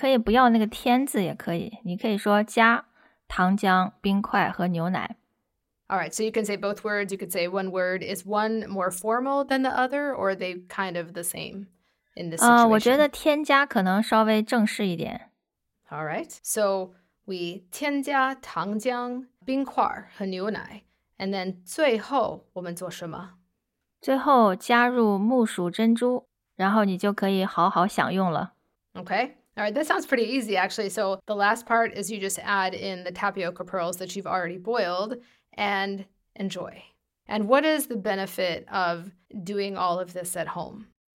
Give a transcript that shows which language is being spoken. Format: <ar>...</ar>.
<zh>也可以,不过好像有点太啰嗦了。你可以不要那个添字也可以,你可以说加。糖浆,冰块和牛奶。</zh> <en>All right, so you can say both words. You could say one word. Is one more formal than the other, or are they kind of the same in this situation?</en> <zh>我觉得添加可能稍微正式一点。</zh> <en>All right, so we</en> <zh>添加糖浆,冰块和牛奶,</zh> <en>and then</en> <zh>最后我们做什么? 最后加入木薯珍珠,然后你就可以好好享用了。</zh> <en>Okay. All right, that sounds pretty easy, actually. So the last part is you just add in the tapioca pearls that you've already boiled and enjoy. And what is the benefit of doing all of this at home?</en>